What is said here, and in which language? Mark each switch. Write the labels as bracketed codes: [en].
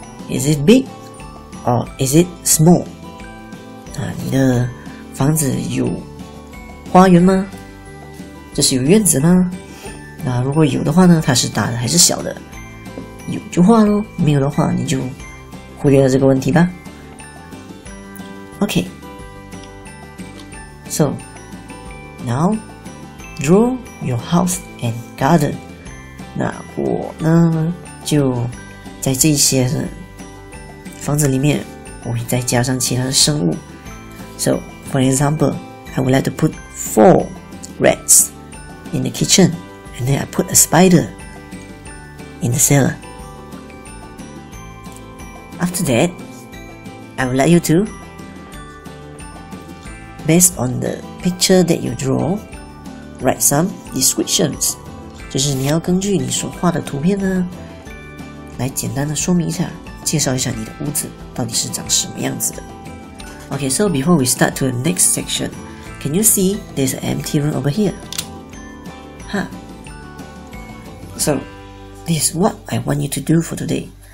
[en] Is it big or is it small? [zh] 那你的房子有花园吗？这是有院子吗？那如果有的话呢，它是大的还是小的？有就画咯，没有的话你就忽略了这个问题吧。 [en] OK, so now draw your house and garden. [zh] 那我呢就在这些房子里面我会再加上其他的生物。 [en] So for example, I would like to put 4 rats in the kitchen, and then I put a spider in the cellar. After that, I would like you to, based on the picture that you draw, write some descriptions. [zh] 就是你要根据你所画的图片呢，来简单的说明一下，介绍一下你的屋子到底是长什么样子的。 [en] Okay, so before we start to the next section, can you see there's an empty room over here? Huh? So, this is what I want you to do for today.